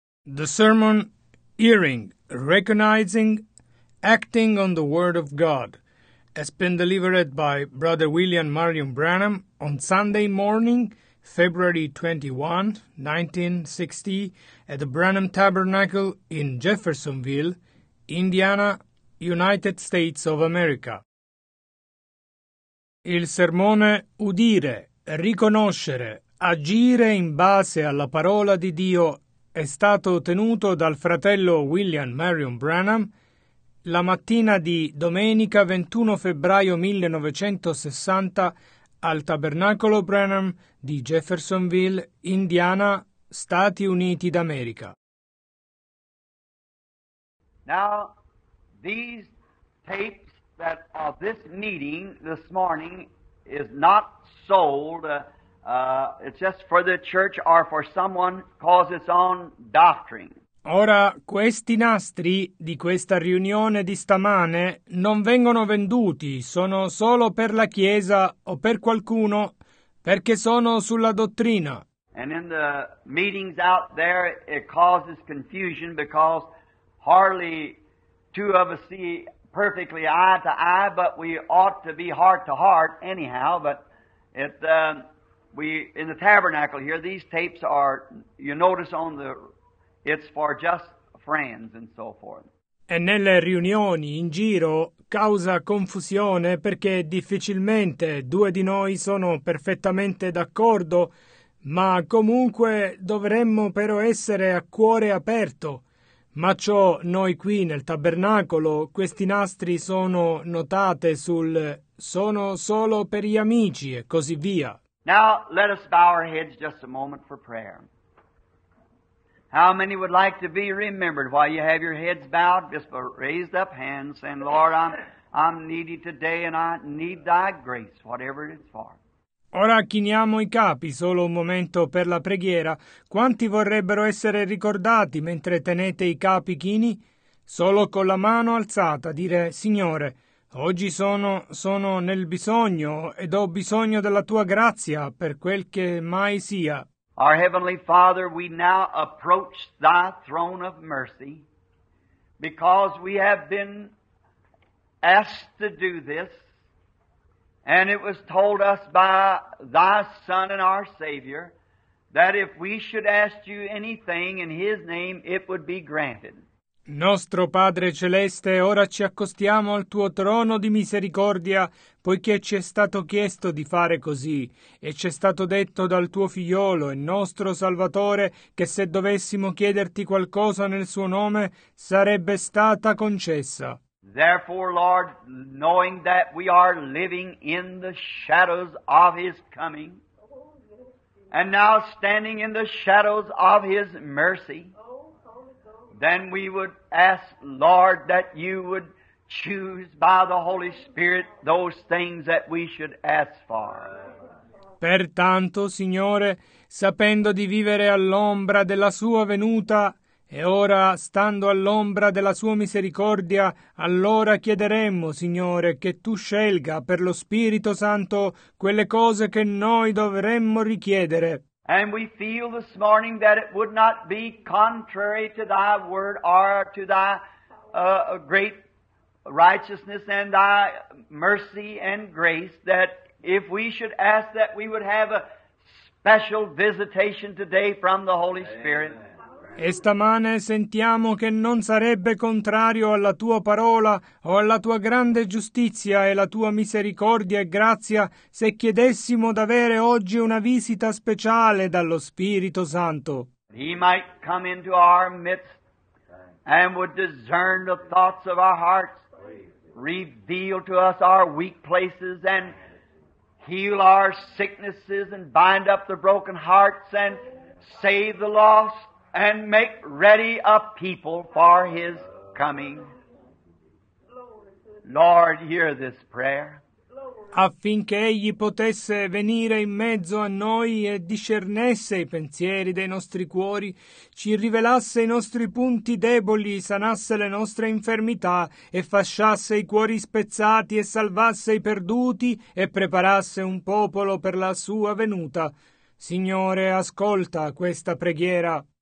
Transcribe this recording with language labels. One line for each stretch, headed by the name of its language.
English: The sermon, Hearing, Recognizing, Acting on the Word of God, has been delivered by Brother William Marion Branham on Sunday morning, February 21, 1960, at the Branham Tabernacle in Jeffersonville, Indiana, United States of America.
Italian: Il sermone Udire, Riconoscere, Agire in base alla parola di Dio è stato tenuto dal fratello William Marion Branham la mattina di domenica 21 febbraio 1960 al Tabernacolo Branham di Jeffersonville, Indiana, Stati Uniti d'America.
English: Now, these tapes that of this meeting this morning is not sold. It's just for the church or for someone cause its own doctrine.
Italian: Ora, questi nastri di questa riunione di stamane non vengono venduti, sono solo per la Chiesa o per qualcuno, perché sono sulla dottrina.
English: And in the meetings out there, it causes confusion because hardly two of us see perfectly eye to eye, but we ought to be heart to heart anyhow, but it... in the tabernacle here, these tapes are, you notice on the, it's for just friends and so forth.
Italian: E nelle riunioni in giro causa confusione perché difficilmente due di noi sono perfettamente d'accordo, ma comunque dovremmo però essere a cuore aperto. Ma ciò noi qui nel tabernacolo, questi nastri sono notate sul sono solo per gli amici e così via.
English: Now, let us bow our heads just a moment for prayer. How many would like to be remembered while you have your heads bowed? Just raised up hands saying, Lord, I'm needy today and I need thy grace, whatever it is for.
Italian: Ora chiniamo i capi, solo un momento per la preghiera. Quanti vorrebbero essere ricordati mentre tenete i capi chini? Solo con la mano alzata dire, Signore, oggi sono nel bisogno ed ho bisogno della tua grazia per quel che mai sia.
English: Our Heavenly Father, we now approach thy throne of mercy because we have been asked to do this and it was told us by thy Son and our Savior that if we should ask you anything in his name, it would be granted.
Italian: Nostro Padre Celeste, ora ci accostiamo al tuo trono di misericordia, poiché ci è stato chiesto di fare così, e ci è stato detto dal tuo figliolo e nostro Salvatore che se dovessimo chiederti qualcosa nel suo nome, sarebbe stata concessa.
English: Therefore, Lord, knowing that we are living in the shadows of his coming, and now standing in the shadows of his mercy, then we would ask, Lord, that you would choose by the Holy Spirit those things that we should ask for.
Italian: Pertanto, Signore, sapendo di vivere all'ombra della sua venuta, e ora, stando all'ombra della sua misericordia, allora chiederemo, Signore, che tu scelga per lo Spirito Santo quelle cose che noi dovremmo richiedere.
English: And we feel this morning that it would not be contrary to thy word or to thy great righteousness and thy mercy and grace that if we should ask that we would have a special visitation today from the Holy Spirit.
Italian: E stamane sentiamo che non sarebbe contrario alla tua parola o alla tua grande giustizia e la tua misericordia e grazia se chiedessimo d'avere oggi una visita speciale dallo Spirito Santo.
English: He might come into our midst and would discern the thoughts of our hearts, reveal to us our weak places and heal our sicknesses and bind up the broken hearts and save the lost. And make ready a people for his coming. Lord, hear this prayer.
Italian: Affinché egli potesse venire in mezzo a noi e discernesse i pensieri dei nostri cuori, ci rivelasse i nostri punti deboli, sanasse le nostre infermità e fasciasse i cuori spezzati e salvasse i perduti e preparasse un popolo per la sua venuta. Signore, ascolta questa preghiera.